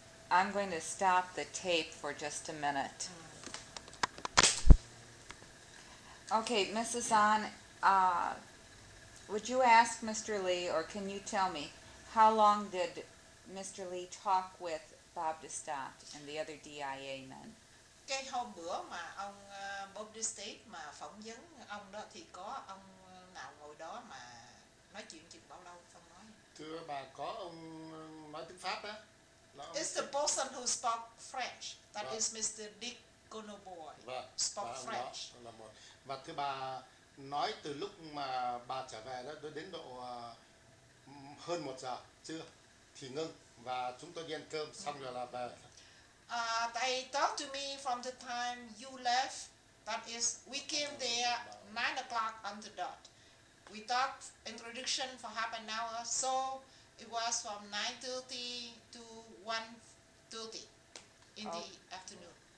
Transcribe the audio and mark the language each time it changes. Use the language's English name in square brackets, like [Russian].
[English] I'm going to stop the tape for just a minute. Okay, Mrs. An, would you ask Mr. Lee, or can you tell me, how long did Mr. Lee talk with Bob Distat and the other DIA men? [Vietnamese] Cái hôm bữa mà ông Bob Distat mà phỏng vấn ông đó thì có ông nào ngồi đó mà nói chuyện chừng bao lâu không nói? Thưa bà, có ông nói tiếng Pháp á. [English] It's the person who spoke French. That is Mr. Dick Conoboy. Spoke French. [Vietnamese] Và thưa bà, nói từ lúc mà bà trở về đó, tôi đến độ hơn một giờ trưa thì ngưng, và chúng tôi đi ăn cơm xong rồi là về. [English] They talked to me from the time you left. That is, we came there 9 o'clock on the dot. We talked introduction for half an hour. So it was from 9:30 to 1:30 in the afternoon.